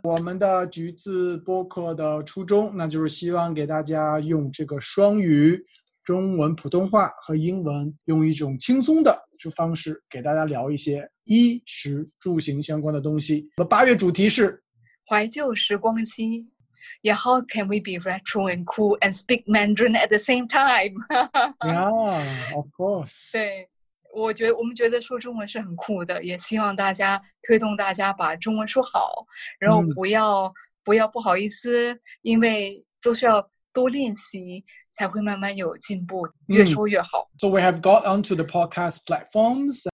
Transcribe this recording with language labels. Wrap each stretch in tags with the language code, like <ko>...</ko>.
<zh>我们的橘子播客的初衷，那就是希望给大家用这个双语中文、普通话和英文，用一种轻松的方式给大家聊一些衣食住行相关的东西。那八月主题是怀旧时光机。</zh> <en>Yeah, how can we be retro and cool and speak Mandarin at the same time? Yeah, of course.</en> <zh>对，我们觉得说中文是很酷的，也希望大家推动大家把中文说好，然后不要不好意思，因为都需要多练习才会慢慢有进步，越说越好。</zh> <en>So we have got onto the podcast platforms.</en>